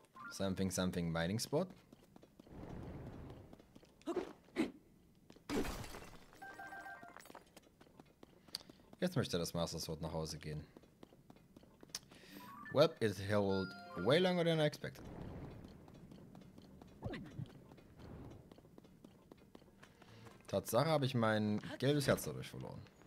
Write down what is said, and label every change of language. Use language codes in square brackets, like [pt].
[en] Something, something mining spot. [de] Jetzt möchte das Master Sword nach Hause gehen. [en] Well, it held way longer than I expected. [de] Tatsache habe ich mein gelbes Herz dadurch verloren.